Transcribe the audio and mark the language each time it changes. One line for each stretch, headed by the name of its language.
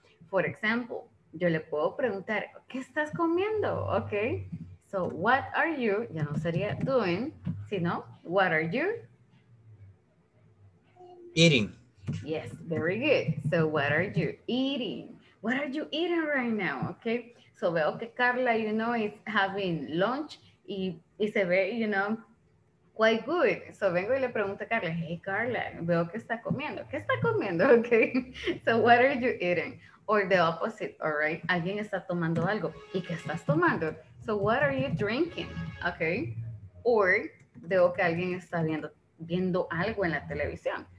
English: For example,
Spanish: yo le puedo preguntar, ¿qué estás comiendo?
English: Okay, so what are you?
Spanish: Ya no sería doing, sino
English: what are you? Eating. Yes, very good. So what are you eating? What are you eating right now? Okay, so
Spanish: veo que
English: Carla, you know, is having lunch
Spanish: y se ve,
English: you know, quite good.
Spanish: So vengo y le pregunto a Carla, hey Carla, veo que está comiendo. ¿Qué está comiendo?
English: Okay, so what are you eating? Or the opposite, all right?
Spanish: Alguien está tomando algo. ¿Y qué estás tomando?
English: So what are you drinking?
Spanish: Okay, or veo que alguien está viendo algo en la televisión.